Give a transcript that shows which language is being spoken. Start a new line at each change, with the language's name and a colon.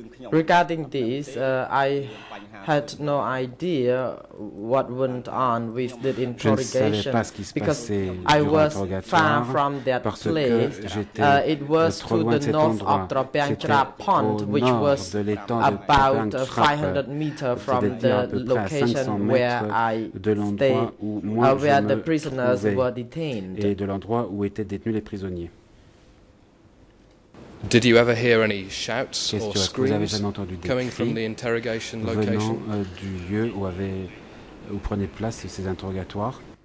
English: Regarding this, I had no idea what went on with the interrogation because I was far from that place. It was to the north of Tropianchra Pond, which was about 500 meters from the location where I stayed, where the prisoners were detained.
French: Et de l'endroit où étaient détenus les prisonniers.
English: Did you ever hear any shouts or screams
French: vous avez entendu des
English: coming from the interrogation location?
French: Venant du lieu où où prenaient place ces interrogatoires?